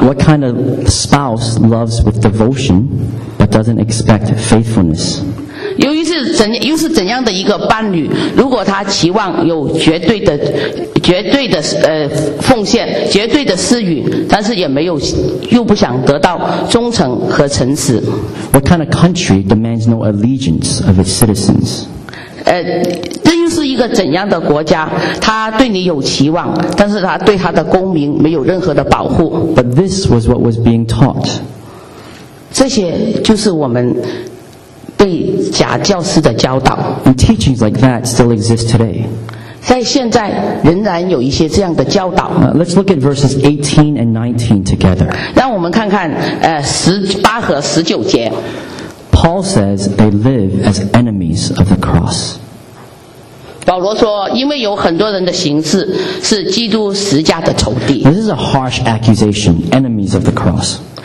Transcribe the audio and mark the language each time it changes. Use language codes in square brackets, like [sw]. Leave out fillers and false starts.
[en] What kind of spouse loves with devotion but doesn't expect faithfulness? [zh] 又是怎样的一个伴侣，如果他期望有绝对的奉献，绝对的施予，但是也没有，又不想得到忠诚和诚实。 [en] What kind of country demands no allegiance of its citizens? [zh] 这又是一个怎样的国家？他对你有期望，但是他对他的公民没有任何的保护。 [en] But this was what was being taught. [zh] 这些就是我们被假教师的教导。 [en] And teachings like that still exist today. [zh] 在现在仍然有一些这样的教导。 [en] Let's look at verses 18 and 19 together. [zh] 让我们看看18和19节。 [en] Paul says they live as enemies of the cross. [zh] 保罗说，因为有很多人的行事是基督十字架的仇敌。 [en] This is a harsh accusation, enemies of the cross.